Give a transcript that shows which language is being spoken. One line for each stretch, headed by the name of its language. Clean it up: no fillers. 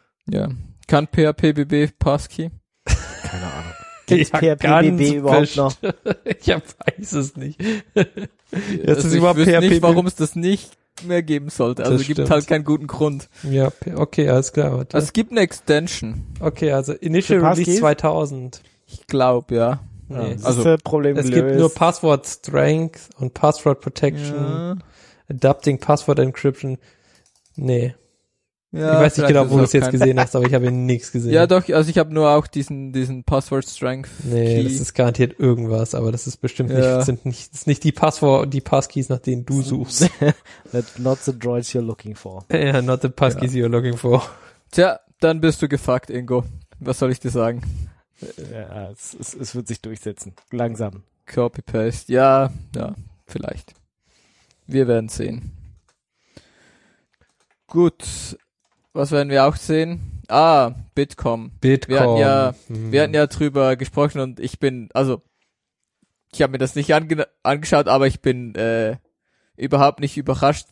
German: Ja, kann PHP-BB Passkey? Keine Ahnung. Gibt's PHP-BB überhaupt noch? Ich weiß es nicht. Also ist überhaupt, ich weiß nicht, warum es das nicht mehr geben sollte. Also es gibt halt keinen guten Grund. Ja, okay, alles klar. Also es gibt eine Extension. Okay, also Initial Release 2000. Ich glaube, ja. Nee. Ja, also das Problem es gelöst. Gibt nur Password Strength und Password Protection. Ja. Adapting Password Encryption. Nee. Ja, ich weiß nicht genau, wo du es jetzt gesehen hast, aber ich habe nichts gesehen. Ja, doch, also ich habe nur auch diesen Password Strength. Nee, Key. Das ist garantiert irgendwas, aber das ist bestimmt ja. sind nicht die Passkeys, nach denen du suchst.
English: That's not the droids you're looking for. Ja, not the Passkeys you're looking for.
German: Tja, dann bist du gefuckt, Ingo. Was soll ich dir sagen? Ja, es wird sich durchsetzen. Langsam. Copy-Paste. Ja, vielleicht. Wir werden sehen. Gut. Was werden wir auch sehen? Ah, Bitkom. Wir hatten ja drüber gesprochen und ich habe mir das nicht angeschaut, aber ich bin überhaupt nicht überrascht.